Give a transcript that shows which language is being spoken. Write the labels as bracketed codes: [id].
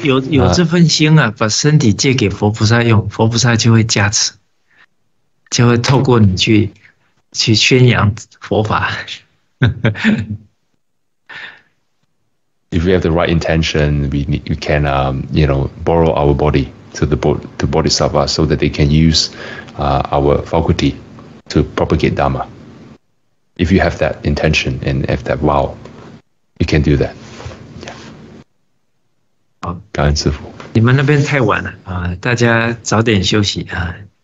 [zh] 有这份心啊，把身体借给佛菩萨用，佛菩萨就会加持，就会透过你去宣扬佛法。 [en] If we have the right intention, we can borrow our body to the bodhisattva so that they can use our faculty to propagate Dharma. If you have that intention and if that vow, you can do that. Yeah. [zh] 好，感恩师父。你们那边太晚了啊，大家早点休息啊。